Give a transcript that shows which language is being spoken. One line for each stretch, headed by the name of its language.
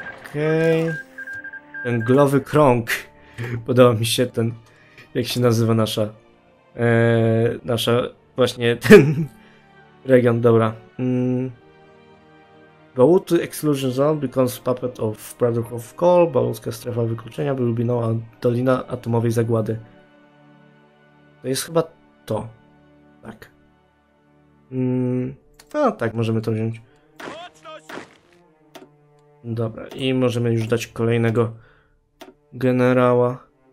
Polish: Okej. Węglowy krąg. Podoba mi się ten, jak się nazywa nasza, nasza właśnie ten region, dobra.
English: Bałuty Exclusion Zone becomes puppet of Brotherhood of Coal.
Polish: Bałutska strefa wykluczenia byłby nowa dolina atomowej zagłady. To jest chyba to. Tak. No tak, możemy to wziąć. Dobra, i możemy już dać kolejnego generała.